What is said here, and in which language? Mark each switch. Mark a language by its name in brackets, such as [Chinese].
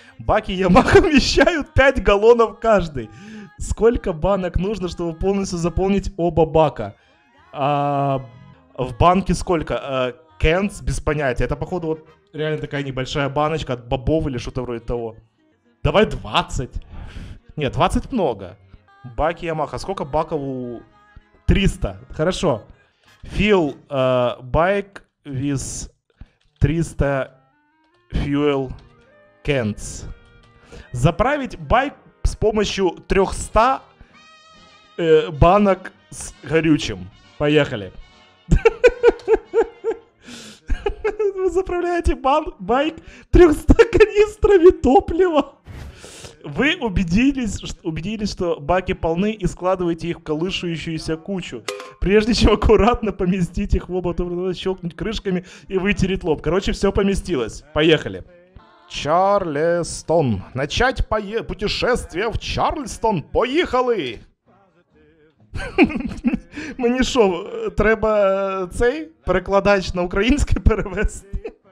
[Russian] Баки Yamaha вмещают 5 галлонов каждый. Сколько банок нужно, чтобы полностью заполнить оба бака? В банке сколько? Кэнс? Без понятия. Это, походу, вот реально такая небольшая баночка от бобов или что-то вроде того. Давай 20. Нет, 20 много. Баки Yamaha. Сколько баков у... 300. Хорошо. [English] Fill bike with 300 fuel cans. [Russian] Заправить байк с помощью 300 банок с горючим. Поехали. Вы заправляете байк 300 канистрами топлива. Вы убедились, что баки полны, и складываете их в колышущуюся кучу, прежде чем аккуратно поместить их в оба, надо щелкнуть крышками и вытереть лоб. Короче, все поместилось. Поехали. Чарльстон. Начать путешествие в Чарльстон. Поехали! [Ukrainian] Мені що, треба цей перекладач на українське перевести?